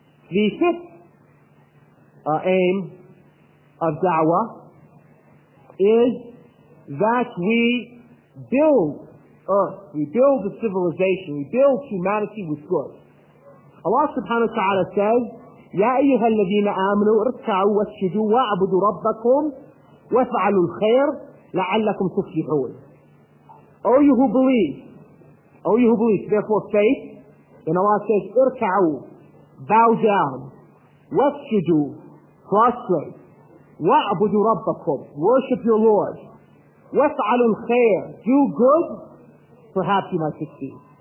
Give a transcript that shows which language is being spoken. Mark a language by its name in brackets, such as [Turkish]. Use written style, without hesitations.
[English] The fifth aim of da'wah is that we build earth, we build the civilization, we build humanity with good. Allah subhanahu wa ta'ala says, [Arabic] يَا أَيُّهَا الَّذِينَ آمَنُوا ارْكَعُوا وَاسْجُدُوا وَاعْبُدُوا رَبَّكُمْ وَفَعَلُوا الْخَيْرَ لَعَلَّكُمْ تُفْلِحُونَ. [English] O you who believe, O you who believe, therefore faith, then Allah says, [Arabic] ارْكَعُوا, [English] bow down, [Arabic] وَاسْجُدُوا, [English] prostrate, [Arabic] وَاعْبُدُوا رَبَّكُمْ, [English] worship your Lord, [Arabic] وَفَعَلُوا الْخَيْرَ, [English] do good, perhaps you might succeed.